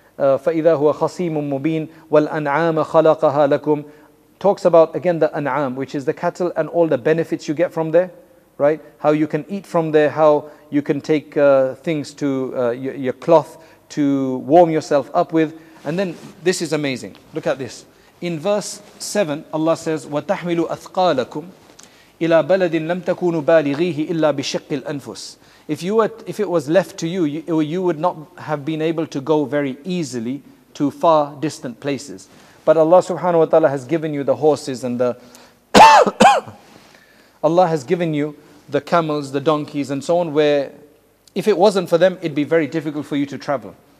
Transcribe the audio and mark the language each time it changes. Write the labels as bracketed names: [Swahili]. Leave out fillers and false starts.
[Arabic] فَإِذَا هُوَ خَصِيمٌ مُبِينٌ وَالْأَنْعَامَ خَلَقَهَا لَكُمْ. [English] Talks about, again, the an'am, which is the cattle and all the benefits you get from there. Right? How you can eat from there, how you can take things to your cloth to warm yourself up with. And then this is amazing. Look at this. In verse 7, Allah says, [Arabic] وَتَحْمِلُ أَثْقَالَكُمْ إِلَى بَلَدٍ لَمْ تَكُونُوا بَالِغِيهِ إِلَّا بِشِقِّ الْأَنفُسِ. [English] If it was left to you, you would not have been able to go very easily to far distant places. But Allah subhanahu wa ta'ala has given you the horses and the Allah has given you the camels, the donkeys and so on, where if it wasn't for them, it'd be very difficult for you to travel.